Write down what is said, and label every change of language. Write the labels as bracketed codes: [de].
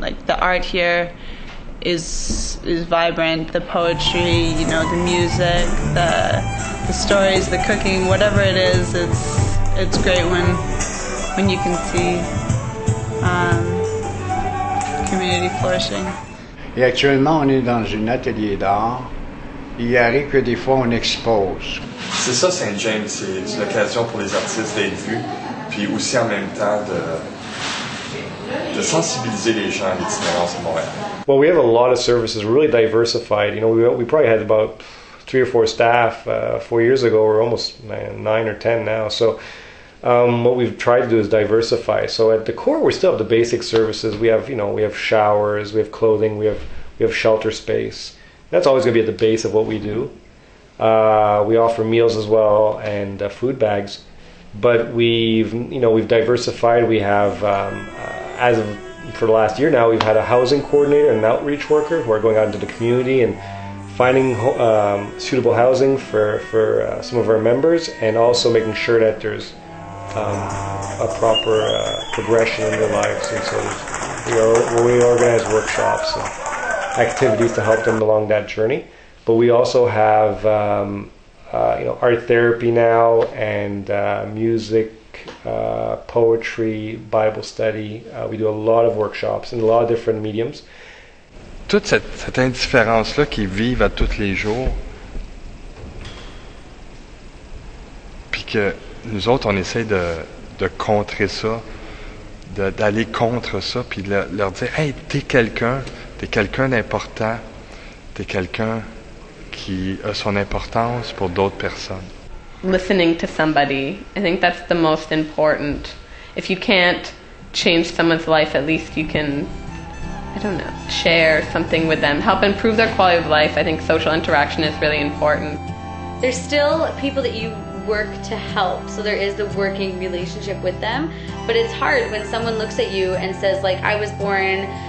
[en] Like, the art here is vibrant, the poetry, you know, the music, the stories, the cooking, whatever it is, it's great when you can see community flourishing. [fr] Et actuellement, on est dans un atelier d'art. Il arrive que des fois, on expose. C'est ça, St. James, c'est l'occasion pour les artistes d'être vus. Puis aussi en même temps de sensibiliser les gens à l'itinérance à Montréal. [en] Well, we have a lot of services, really diversified. You know, we probably had about three or four staff 4 years ago. We're almost nine or ten now. So what we've tried to do is diversify. So at the core, we still have the basic services. We have, you know, we have showers, we have clothing, we have shelter space. That's always going to be at the base of what we do. We offer meals as well and food bags. But we've diversified. We have, as of for the last year now, we've had a housing coordinator and an outreach worker who are going out into the community and finding suitable housing for some of our members, and also making sure that there's a proper progression in their lives. And so we organize workshops and activities to help them along that journey. But we also have art therapy now, and music, poetry, Bible study. We do a lot of workshops in a lot of different mediums. [fr] Toute cette indifférence-là qu'ils vivent à tous les jours, puis que nous autres, on essaie de contrer ça, d'aller contre ça, puis de leur dire, hey, t'es quelqu'un d'important, t'es quelqu'un qui a son importance pour d'autres personnes. [en] Listening to somebody, I think that's the most important. If you can't change someone's life, at least you can, I don't know, share something with them, help improve their quality of life. I think social interaction is really important. There's still people that you work to help, so there is the working relationship with them, but it's hard when someone looks at you and says, like, I was born